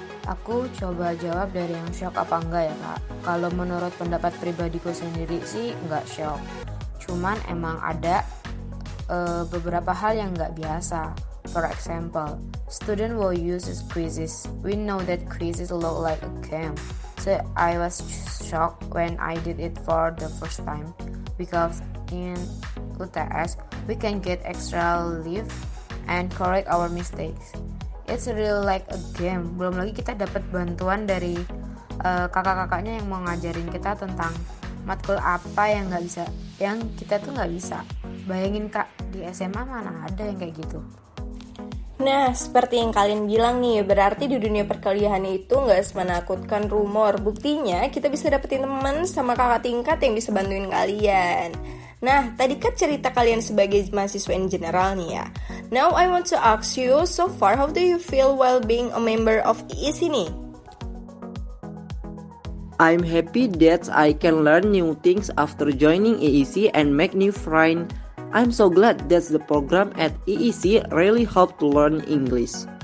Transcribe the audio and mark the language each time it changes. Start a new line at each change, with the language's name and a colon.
Indonesian: Aku coba jawab dari yang shock apa enggak ya kak. Kalau menurut pendapat pribadiku sendiri sih enggak shock. Cuman emang ada beberapa hal yang gak biasa.
English: For example, student will use quizzes. We know that quizzes look like a game. So I was shocked when I did it for the first time, because in UTS we can get extra leave and correct our mistakes. It's really like a game.
Indonesian: Belum lagi kita dapat bantuan dari kakak-kakaknya yang mau ngajarin kita tentang matkul apa yang gak bisa, yang kita tuh gak bisa. Bayangin kak, di SMA mana ada yang kayak gitu. Nah, seperti yang kalian bilang nih, berarti di dunia perkuliahan itu gak semenakutkan rumor. Buktinya, kita bisa dapetin teman sama kakak tingkat yang bisa bantuin kalian. Nah, tadi kan cerita kalian sebagai mahasiswa in general nih ya.
English: Now, I want to ask you, so far, how do you feel while being a member of EEC nih? I'm happy that I can learn new things after joining EEC and make new friends. I'm so glad that the program at EEC really helped to learn English.